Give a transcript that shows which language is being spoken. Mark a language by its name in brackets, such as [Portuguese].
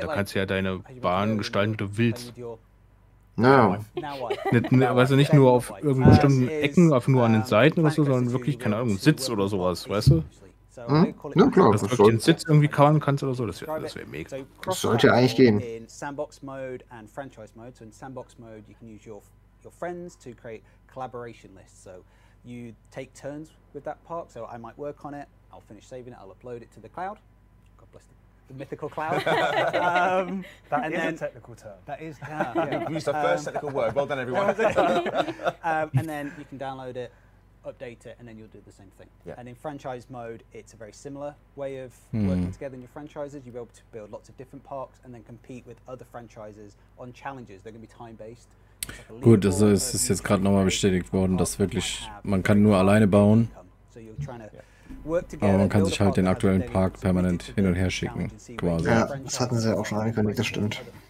[German] Da kannst du ja deine Bahn gestalten, wie du willst. Weißt du, nicht nur auf irgendeinen bestimmten Ecken, auf nur an den Seiten oder so, sondern wirklich, keine Ahnung, Sitz oder sowas, weißt du? Hm? Ja, klar, dass du wirklich den Sitz irgendwie kauen kannst oder so, das wär mega. Das sollte eigentlich gehen. In Sandbox Mode und Franchise Mode. [English] So in Sandbox Mode, you can use your friends to create collaboration lists. So you take turns with that park. So I might work on it, I'll finish saving it, I'll upload it to the cloud. God bless them. The mythical cloud. That is a technical term. Used the first technical word. Well done, everyone. And then you can download it, update it, and then you'll do the same thing. Yeah. And in franchise mode, it's a very similar way of working together in your franchises. You'll be able to build lots of different parks and then compete with other franchises on challenges. They're going to be time-based. [German] Gut, also es ist jetzt gerade nochmal bestätigt worden, dass wirklich, man kann nur alleine bauen. [English] So you're trying to, yeah. [German] Aber man kann sich halt den aktuellen Park permanent hin und her schicken, quasi. Ja, das hatten sie auch schon angekündigt, das stimmt.